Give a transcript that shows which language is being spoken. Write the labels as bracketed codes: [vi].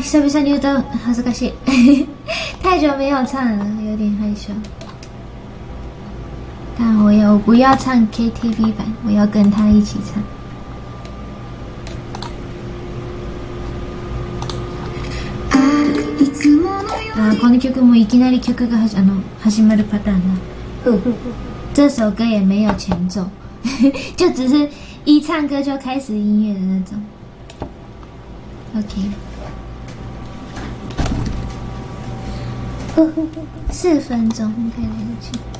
[ja] 久々に歌う恥ずかしい。 [zh] 太久没有唱了，有点害羞。但我不要唱 KTV 版，我要跟他一起唱。 [ja] 啊，この曲もいきなり曲が始まるパターンだ。 [zh] 这首歌也没有前奏，就只是。一唱歌就开始音乐的那种 ，OK， 四分钟应该来得及。